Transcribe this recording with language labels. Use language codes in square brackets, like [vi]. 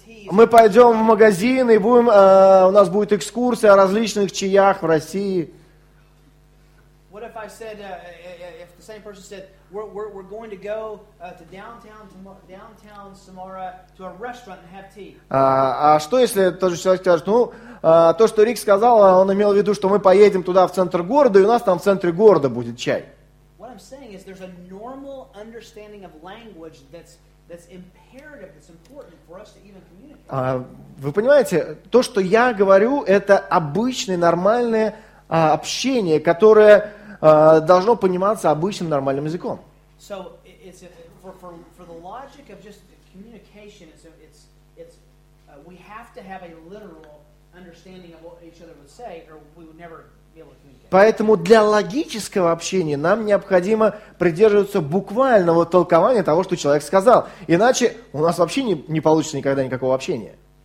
[ru] Мы пойдем в магазин и будем, у нас будет экскурсия о различных чаях в России. [en] What if I said, if the same person said, we're going to go to downtown Samara to a restaurant and have tea? [ru] А что если тот же человек скажет, ну, то, что Рик сказал, он имел в виду, что мы поедем туда в центр города, и у нас там в центре города будет чай. [en] What I'm saying is there's a normal understanding of language that's imperative, that's important for us to even communicate. [ru] Вы понимаете, то, что я говорю, это обычные, нормальные общение, которое должно пониматься обычным нормальным языком. [en] So it's for the logic of just communication, it's we have to have a literal understanding of what each other would say, or we would never be able to communicate. [ru] Поэтому для логического общения нам необходимо придерживаться буквального толкования того, что человек сказал. Иначе у нас вообще не получится никогда никакого общения.